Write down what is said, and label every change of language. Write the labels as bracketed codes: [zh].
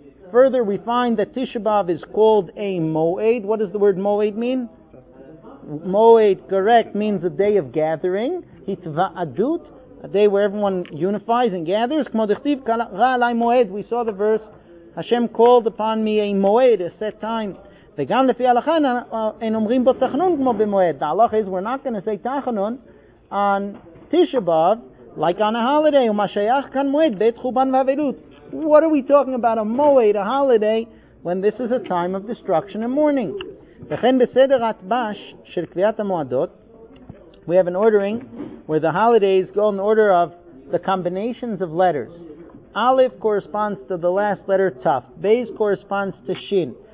[en] Further, we find that Tisha B'Av is called a Moed. What does the word Moed mean? Moed, correct, means a day of gathering. A day where everyone unifies and gathers. We saw the verse, Hashem called upon me a Moed, a set time. [he] וגם לפי ההלכה אין אומרים בו תחנון כמו במועד. [en] The halach is, we're not going to say תחנון on Tisha B'Av, like on a holiday. [he] ומה שייך כאן מועד בית חובן ואבלות. [en] What are we talking about, a moed, a holiday, when this is a time of destruction and mourning? [he] וכן בסדר התבש של קביעת המועדות, [en] we have an ordering where the holidays go in the order of the combinations of letters. Aleph corresponds to the last letter Taf. Beis corresponds to Shin.